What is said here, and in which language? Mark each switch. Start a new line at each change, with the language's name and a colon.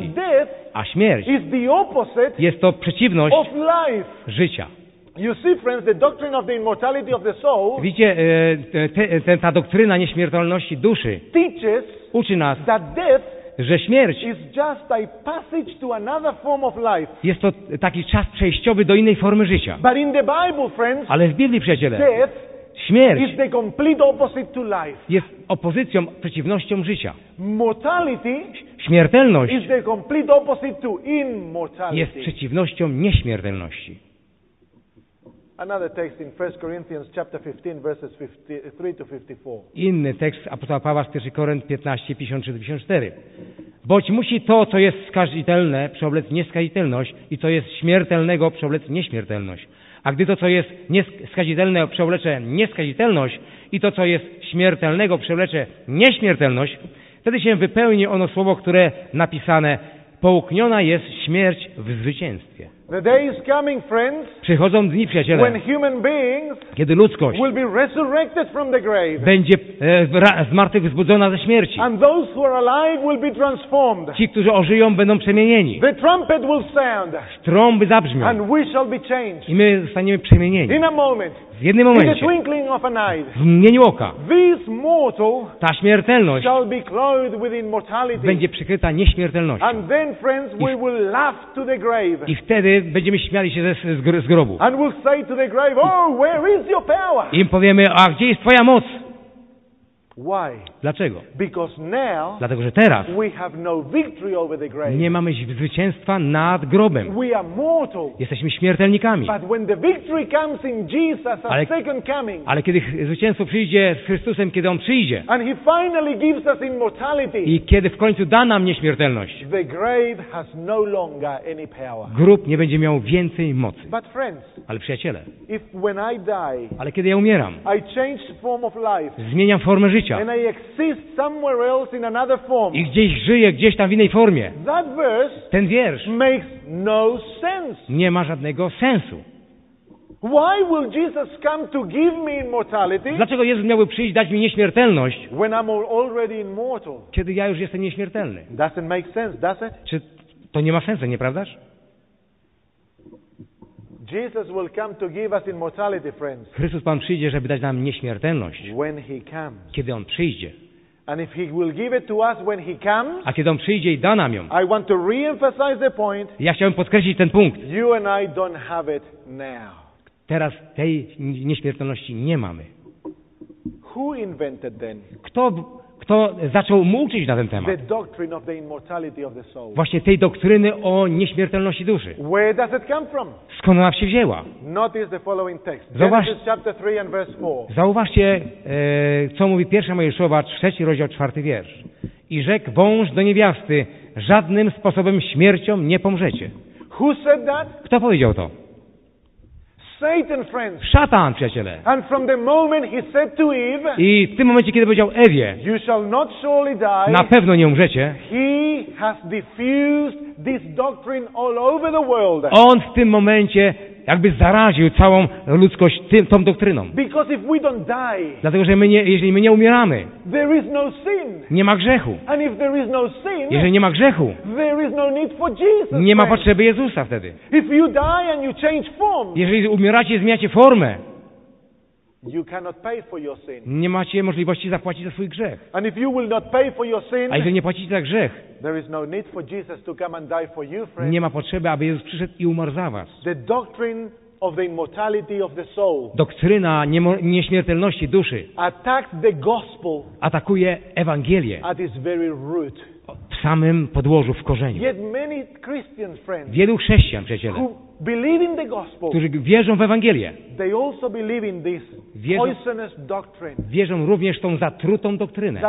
English: And death,
Polish: a śmierć
English: is the opposite,
Polish: jest to przeciwność
English: of life.
Polish: Życia.
English: You see, friends, the doctrine of the immortality of the soul.
Polish: Widzicie, ta doktryna nieśmiertelności duszy
English: teaches,
Polish: uczy nas,
English: that death,
Polish: że śmierć
English: is just a passage to another form of life.
Polish: Jest to taki czas przejściowy do innej formy życia.
English: But in the Bible, friends,
Polish: ale w Biblii, przyjaciele,
English: death,
Polish: śmierć
English: is the complete opposite to life.
Polish: Jest opozycją, przeciwnością życia.
English: Mortality,
Polish: śmiertelność,
English: is the complete opposite to immortality.
Polish: Jest przeciwnością nieśmiertelności.
English: Another text in 1 Corinthians chapter 15 verses 53-54.
Polish: Inny tekst apostoła Pawła z 1 Koryntian 15:53-54. Bądź musi to, co jest skazitelne, przeoblec nieskazitelność i co jest śmiertelnego, przeoblec nieśmiertelność. A gdy to, co jest nieskazitelne, przeoblecze nieskazitelność i to, co jest śmiertelnego, przeoblecze nieśmiertelność, wtedy się wypełni ono słowo, które napisane: połkniona jest śmierć w zwycięstwie.
English: The day is coming, friends,
Polish: przychodzą dni, przyjaciele,
English: when human beings,
Polish: kiedy ludzkość
English: will be resurrected from the grave,
Polish: będzie zmartwychwzbudzona ze śmierci.
English: And those who are alive will be transformed.
Polish: Ci, którzy ożyją, będą przemienieni.
English: The trumpet will sound,
Polish: trąby zabrzmią.
English: And we shall be changed.
Polish: I my zostaniemy przemienieni.
English: In a moment,
Polish: w jednym momencie,
English: in the twinkling of an eye,
Polish: w mgnieniu oka,
English: this mortal,
Polish: ta śmiertelność
English: shall be clothed with immortality,
Polish: będzie przykryta nieśmiertelnością.
English: And then, friends, we will laugh to the grave.
Polish: I wtedy będziemy śmiali się z grobu.
English: And we'll say to the grave, oh, where is your power?
Polish: I im powiemy, a gdzie jest twoja moc?
English: Why?
Polish: Dlaczego?
English: Because now,
Polish: dlatego, że teraz
English: we have no victory over the grave.
Polish: Nie mamy zwycięstwa nad grobem.
English: We are mortal.
Polish: Jesteśmy śmiertelnikami.
English: But when the victory comes in Jesus, ale, second coming,
Polish: ale kiedy zwycięstwo przyjdzie z Chrystusem, kiedy On przyjdzie,
English: and he finally gives us immortality,
Polish: i kiedy w końcu da nam nieśmiertelność,
English: the grave has no longer any power.
Polish: Grób nie będzie miał więcej mocy.
English: But friends,
Polish: ale przyjaciele,
English: if when I die,
Polish: ale kiedy ja umieram,
English: I change form of life,
Polish: zmieniam formę życia.
English: And I exist somewhere else in another form.
Polish: I gdzieś żyję, gdzieś tam w innej formie.
English: That verse,
Polish: ten wiersz,
English: makes no sense.
Polish: Nie ma żadnego sensu.
English: Why will Jesus come to give me immortality?
Polish: Dlaczego Jezus miałby przyjść dać mi nieśmiertelność?
English: When I'm already immortal.
Polish: Kiedy ja już jestem nieśmiertelny.
English: Doesn't make sense, does it?
Polish: Czy to nie ma sensu, nieprawdaż?
English: Jesus will come to give us immortality, friends.
Polish: Chrystus Pan przyjdzie, żeby dać nam nieśmiertelność.
English: When he comes.
Polish: Kiedy On przyjdzie.
English: And if he will give it to us when he comes.
Polish: A kiedy On przyjdzie i da nam ją.
English: I want to reemphasize the point.
Polish: Ja chciałem podkreślić ten punkt.
English: You and I don't have it now.
Polish: Teraz tej nieśmiertelności nie mamy.
English: Who invented then?
Polish: Kto zaczął mu uczyć na ten temat?
English: The doctrine of the immortality of the soul.
Polish: Właśnie tej doktryny o nieśmiertelności duszy.
English: Where does it come from?
Polish: Skąd ona się wzięła?
English: Notice the following text. Genesis chapter 3 and verse 4.
Polish: Zauważcie, co mówi pierwsza Mojżeszowa, 3 rozdział, 4 wiersz. I rzekł wąż do niewiasty: żadnym sposobem śmiercią nie pomrzecie.
English: Who said that?
Polish: Kto powiedział to?
English: Satan, friends.
Polish: Szatan, przyjaciele.
English: And from the moment he said to Eve,
Polish: i w tym momencie, kiedy powiedział Ewie,
English: you shall not surely die,
Polish: na pewno nie umrzecie,
English: he has diffused this doctrine all over the world.
Polish: On w tym momencie jakby zaraził całą ludzkość tą doktryną.
English: Because if we don't die,
Polish: dlatego, że jeżeli my nie umieramy,
English: there is no sin.
Polish: Nie ma grzechu.
English: And if there is no sin,
Polish: jeżeli nie ma grzechu,
English: there is no need for Jesus,
Polish: nie ma potrzeby Jezusa wtedy.
English: If you die and you change form,
Polish: jeżeli umieracie i zmieniacie formę,
English: You cannot pay for your sin.
Polish: Nie macie możliwości zapłacić za swój grzech.
English: And if you will not pay for your sin,
Polish: a jeżeli nie płacicie za grzech,
English: there is no need for Jesus to come and die for you, friend.
Polish: Nie ma potrzeby, aby Jezus przyszedł i umarł za was.
English: The doctrine of the immortality of the soul.
Polish: Doktryna nieśmiertelności duszy.
English: Attacked the gospel.
Polish: Atakuje Ewangelię.
English: At its very root.
Polish: W samym podłożu, w korzeniu.
English: Yet many Christian friends.
Polish: Wielu chrześcijan, przyjaciele.
English: Believe in the gospel.
Polish: Którzy wierzą w Ewangelię.
English: They also believe in this poisonous doctrine.
Polish: Wierzą również tą zatrutą doktrynę.